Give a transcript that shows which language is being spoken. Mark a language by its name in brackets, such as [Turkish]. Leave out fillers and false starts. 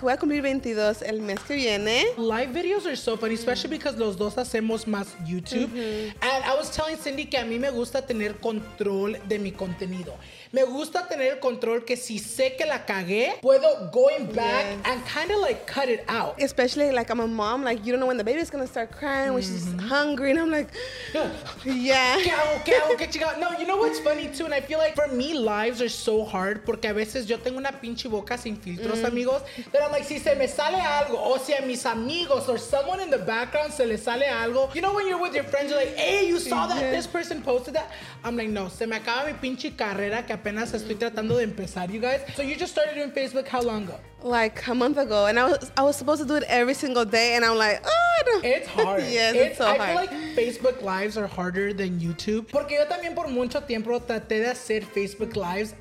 [Spanish] Voy a cumplir 22 el mes que viene. [English] Live videos are so funny, especially because [Spanish] los dos hacemos más YouTube. [English] Mm-hmm. And I was telling Cindy [Spanish] que a mí me gusta tener control de mi contenido. Me gusta tener el control que si sé que la cagué, puedo [English] going back [Spanish] yes. [English] and kind of like cut it out. Especially like I'm a mom, like you don't know when the baby's gonna start crying, when mm-hmm. she's hungry, and I'm like, yeah. [Spanish] ¿Qué hago? [English] No, you know what's funny too? And I feel like for me, lives are so hard [Spanish] porque a veces yo tengo una pinche boca sin filtros, [English] mm-hmm. amigos. But I'm like, [Spanish] si se me sale algo, o si a mis amigos [English] or someone in the background [Spanish] se le sale algo. [English] You know when you're with your friends, you're like, hey, you saw that yes. this person posted that? I'm like, [Spanish] no, se me acaba mi pinche carrera que apenas estoy tratando de empezar, [English] you guys. So you just started doing Facebook how long ago? Like a month ago. And I was supposed to do it every single day. And I'm like, oh, I don't. It's hard. Yes, it's so I hard. I feel like Facebook Lives are harder than YouTube. [Spanish] Porque yo también por mucho tiempo traté de hacer Facebook Lives.